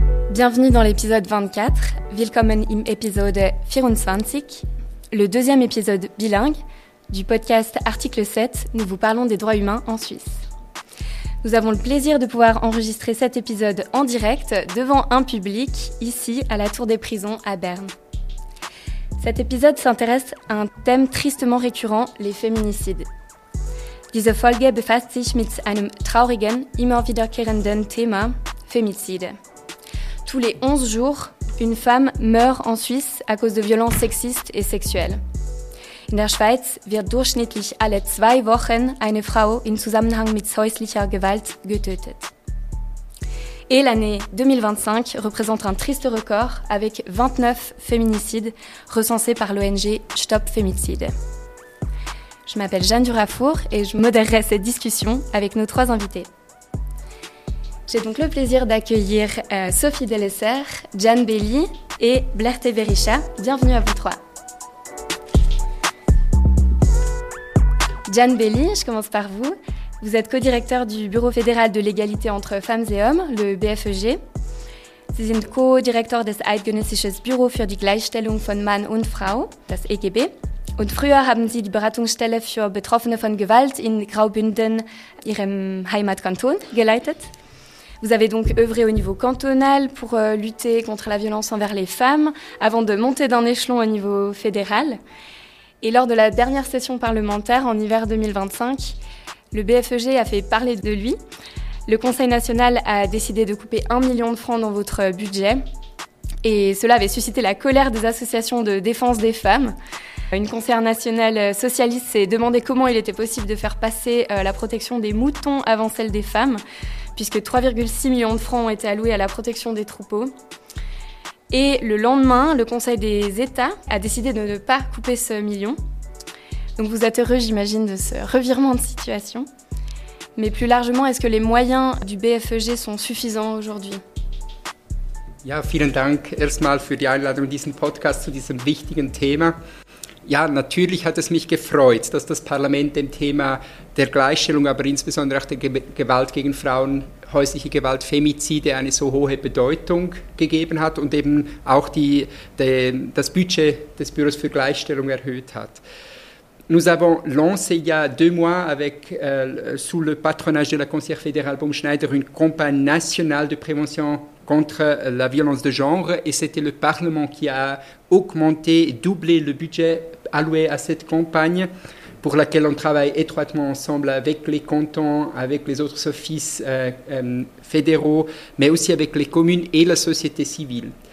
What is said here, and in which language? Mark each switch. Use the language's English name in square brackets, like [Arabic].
[French] Bienvenue dans l'épisode 24, [German] Willkommen im Episode 24, [French] le deuxième épisode bilingue du podcast Article 7, nous vous parlons des droits humains en Suisse. Nous avons le plaisir de pouvoir enregistrer cet épisode en direct devant un public, ici à la Tour des Prisons à Berne. Cet épisode s'intéresse à un thème tristement récurrent, les féminicides. [German] Diese Folge befasst sich mit einem traurigen, immer wiederkehrenden Thema, Femizide. [French] Tous les 11 jours, une femme meurt en Suisse à cause de violences sexistes et sexuelles. [German] In der Schweiz wird durchschnittlich alle zwei Wochen eine Frau in Zusammenhang mit häuslicher Gewalt getötet. [French] Et l'année 2025 représente un triste record avec 29 féminicides recensés par l'ONG Stop Femizide. Je m'appelle Jeanne Durafour et je modérerai cette discussion avec nos trois invités. J'ai donc le plaisir d'accueillir Sophie Delesser, Jeanne Bailey et Blair Teberisha. Bienvenue à vous trois. Jeanne Bailey, je commence par vous. Vous êtes co-directeur du Bureau fédéral de l'égalité entre femmes et hommes, le BFEG. [German] Sie sind co-direktor des Eidgenössisches Büro für die Gleichstellung von Mann und Frau, das EGB. Und früher haben Sie die Beratungsstelle für Betroffene von Gewalt in Graubünden, Ihrem Heimatkanton, geleitet. [French] Vous avez donc œuvré au niveau cantonal pour lutter contre la violence envers les femmes, avant de monter d'un échelon au niveau fédéral. Et lors de la dernière session parlementaire, en hiver 2025, le BFEG a fait parler de lui. Le Conseil national a décidé de couper 1 million de francs dans votre budget. Et cela avait suscité la colère des associations de défense des femmes. Une conseillère nationale socialiste s'est demandé comment il était possible de faire passer la protection des moutons avant celle des femmes, puisque 3,6 millions de francs ont été alloués à la protection des troupeaux. Et le lendemain, le Conseil des États a décidé de ne pas couper ce million. Donc vous êtes heureux, j'imagine, de ce revirement de situation. Mais plus largement, est-ce que les moyens du BFEG sont suffisants aujourd'hui ? [German] Ja, vielen Dank erstmal für die Einladung diesen Podcast zu diesem wichtigen Thema. Ja, natürlich hat es mich gefreut, dass das Parlament dem Thema der Gleichstellung, aber insbesondere auch der Gewalt gegen Frauen, häusliche Gewalt, Femizide, eine so hohe Bedeutung gegeben hat und eben auch das Budget des Büros für Gleichstellung erhöht hat. [French] Nous avons lancé il y a deux mois avec, sous le patronage de la conseillère fédérale Baumschneider, une campagne nationale de prévention contre la violence de genre, et c'était le Parlement qui a augmenté et doublé le budget alloué à cette campagne, pour laquelle on travaille étroitement ensemble avec les cantons, avec les autres offices fédéraux, mais aussi avec les communes et la société civile.